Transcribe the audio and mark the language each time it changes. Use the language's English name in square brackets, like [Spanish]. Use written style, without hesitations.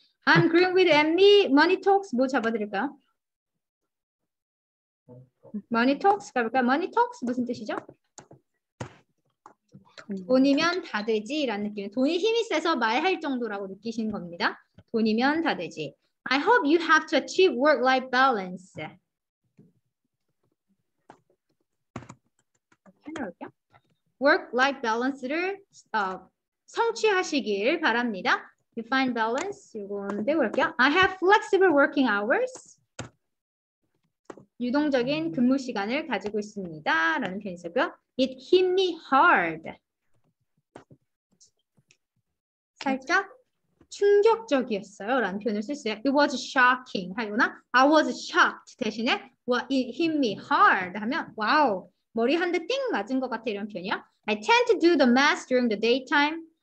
[English] I'm green with envy. Money talks. [Korean] 뭐 잡아드릴까요? [English] Money talks [Korean] 가볼까요? [English] Money talks [Korean] 무슨 뜻이죠? 돈이면 다 되지 라는 느낌. 돈이 힘이 세서 말할 정도라고 느끼시는 겁니다. 돈이면 다 되지. [English] I hope you have to achieve work-life balance. [Korean] 해볼게요. [English] Work-life balance [Korean] 를 성취하시길 바랍니다. [English] You find balance. [Korean] 이건 배울게요. [English] I have flexible working hours. [Korean] 유동적인 근무 시간을 가지고 있습니다. 라는 표현이 있었고요. [English] It hit me hard. [Korean] 살짝 충격적이었어요. 라는 표현을 쓸 수 있어요. [English] It was shocking. [Korean] 하거나 [English] I was shocked. [Korean] 대신에 [English] it hit me hard. [Korean] 하면 와우. 머리 한 대 띵 맞은 것 같아. 이런 표현이요. [English] I tend to do the math during the daytime.